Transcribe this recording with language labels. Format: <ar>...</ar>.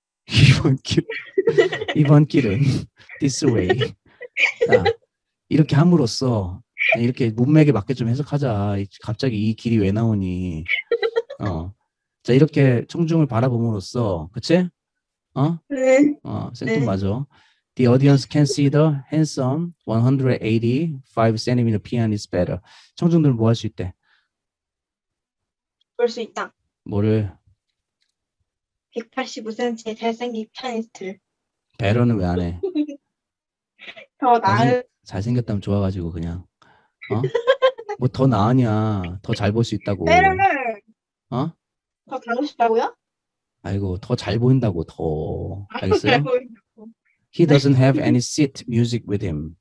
<ko>이번 길. 이번 길은</ko> <en>this way.</en> <ko>자, 이렇게 함으로써 이렇게 문맥에 맞게 좀 해석하자. 갑자기 이 길이 왜 나오니? 자 이렇게 청중을 바라봄으로써, 그치? 어? 네. 생뚱 맞아.</ko> <en>The audience can see the handsome 185 centimeter pianist better.</en> <ko>청중들은 뭐 할 수 있대? 볼 수 있다. 뭐를? 185cm의 잘생긴 피아니스트를. better는 왜 안 해? 더 나은. 잘생겼다면 좋아가지고 그냥. 어? 뭐 더 나으냐. 더 잘 볼 수 있다고. better를. 어? 더 가고 싶다고요? 아이고 더 잘 보인다고 더. 알겠어요?</ko> <en>He doesn't have any seat music with him.</en>